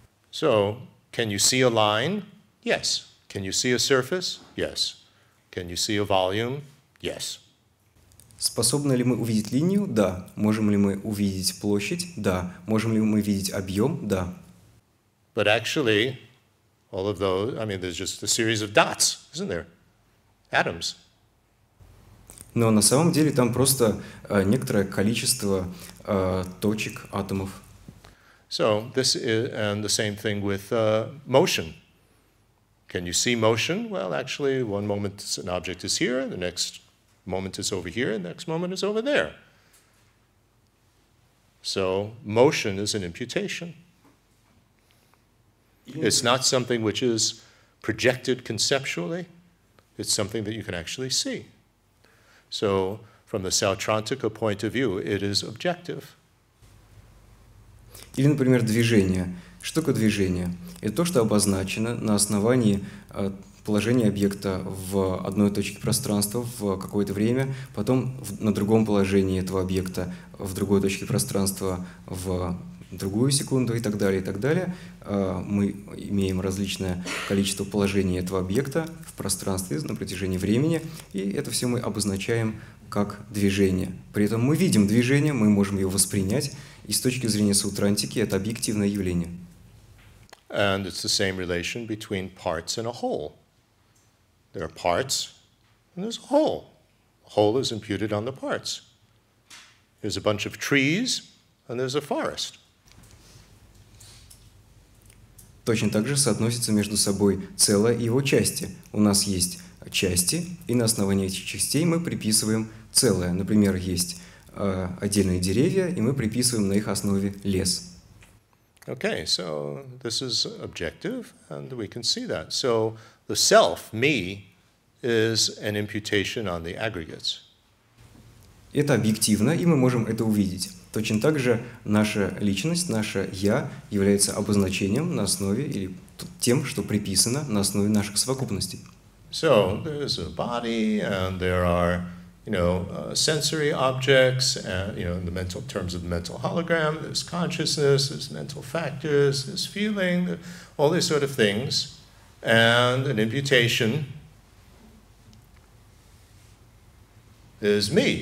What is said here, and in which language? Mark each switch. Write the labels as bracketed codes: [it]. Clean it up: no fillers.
[en] So, can you see a line? Yes. Can you see a surface? Yes. Can you see a volume? Yes. [ru] Способны ли мы увидеть линию? Да. Можем ли мы увидеть площадь? Да. Можем ли мы видеть объем? Да. [en] But actually, all of those, I mean, there's just a series of dots, isn't there? Atoms. [ru] Но на самом деле там просто некоторое количество точек, атомов. [en] So this is, and the same thing with motion. Can you see motion? Well, actually, one moment an object is here, the next moment is over here, and the next moment is over there. So motion is an imputation. It's not something which is projected conceptually. It's something that you can actually see. So from the Sautrantika point of view, it is objective. [ru] Или, например, движение. Что такое движение? Это то, что обозначено на основании положения объекта в одной точке пространства в какое-то время, потом на другом положении этого объекта в другой точке пространства в другую секунду и так далее, и так далее. Мы имеем различное количество положений этого объекта в пространстве на протяжении времени, и это все мы обозначаем как движение. При этом мы видим движение, мы можем его воспринять, и с точки зрения сутрантики это объективное явление. [en] And it's the same relation between parts and a whole. There are parts and there's a whole. Whole is imputed on the parts. There's a bunch of trees and there's a forest. [ru] Точно так же соотносится между собой целое и его части. У нас есть части, и на основании этих частей мы приписываем целое. Например, есть отдельные деревья, и мы приписываем на их основе лес. [en] Okay, so this is objective, and we can see that. So the self, me, is an imputation on the aggregates. [ru] Это объективно, и мы можем это увидеть. Точно так же наша личность, наше «я» является обозначением на основе или тем, что приписано на основе наших совокупностей. [en] So there is a body, and there are sensory objects, and in the mental terms of the mental hologram, there's consciousness, there's mental factors, there's feeling, all these sort of things, and an imputation is me.